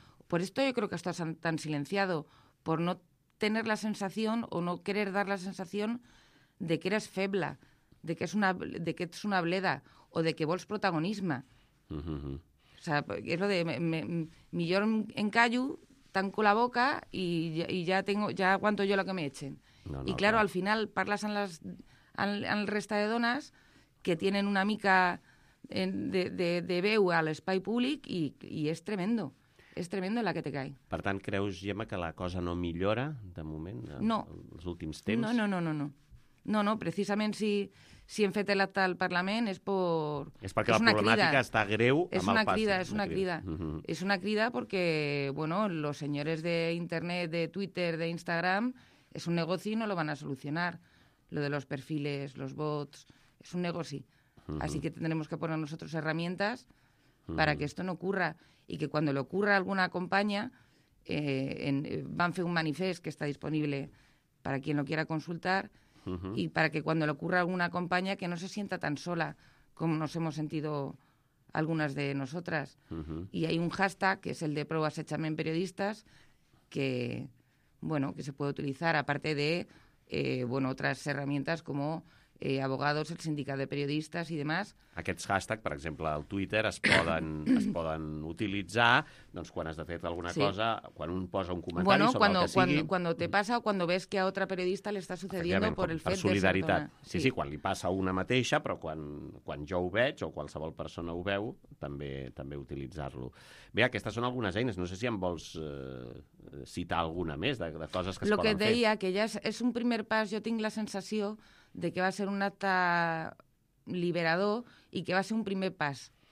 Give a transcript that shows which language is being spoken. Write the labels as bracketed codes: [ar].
[es] Por esto yo creo que estás tan silenciado, por no tener la sensación o no querer dar la sensación de que eres feble, de que es una bleda o de que [ca] vols protagonisme. [es] Uh-huh. O sea, es lo de... [ca] Millor en callo, tanco la boca [es] y ya aguanto yo lo que me echen. No, [ca] y claro, al final parles al resta de dones... que tienen una mica de veu a l'espai públic i és tremendo. És tremendo [es] la que te cae. [ca] Per tant, creus, Gemma, que la cosa no millora, de moment, els últims temps? No. No, precisament si hem fet l'acte al Parlament és per... És perquè la problemàtica està greu amb el pas. És una crida. Uh-huh. És una crida perquè, bueno, [es] los señores de Internet, de Twitter, de Instagram, [ca] és un negoci i [es] no lo van a solucionar. Lo de los perfiles, los bots... Es un negocio. Uh-huh. Así que tendremos que poner nosotros herramientas para que esto no ocurra. Y que cuando le ocurra a alguna compañía, van a hacer un manifesto que está disponible para quien lo quiera consultar. Uh-huh. Y para que cuando le ocurra a alguna compañía, que no se sienta tan sola como nos hemos sentido algunas de nosotras. Uh-huh. Y hay un hashtag, que es el de Prou Assetjament Periodistes, que, bueno, que se puede utilizar, aparte de otras herramientas como... [ca] abogados, el sindicat de periodistes i demás. Aquests hashtags, per exemple, al Twitter, es poden utilitzar doncs, quan es detecta alguna cosa, quan un posa un comentari bueno, sobre [es] cuando, [ca] el que sigui. [es] Bueno, cuando te pasa o cuando ves que a otra periodista le está sucediendo por el fet de ser... [ca] Per solidaritat. Sí, quan li passa una mateixa, però quan jo ho veig o qualsevol persona ho veu, també utilitzar-lo. Bé, aquestes són algunes eines. No sé si em vols citar alguna més de coses que es poden fer. Lo que deia, que ja és un primer pas, jo tinc la sensació... de que va ser un acte liberador i que va ser un primer pas.